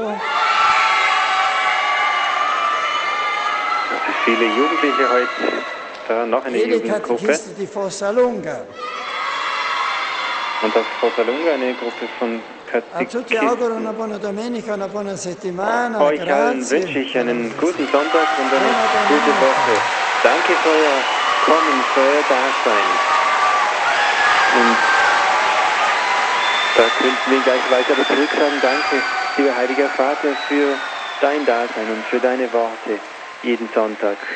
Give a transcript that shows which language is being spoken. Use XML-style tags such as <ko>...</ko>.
<de>Also viele Jugendliche heute. Da noch eine Jugendgruppe. Die Katechisten Fossa Lunga. Und das Fossa Lunga, eine Gruppe von Katechisten.</de> <it>A tutti auguro una buona domenica, una buona settimana.</it> <de>Euch allen wünsche ich einen guten Sonntag und eine gute Woche. Danke für euer Kommen, für euer Dasein. Und da könnten wir gleich weiter zurück sagen, danke, lieber Heiliger Vater, für dein Dasein und für deine Worte jeden Sonntag.</de>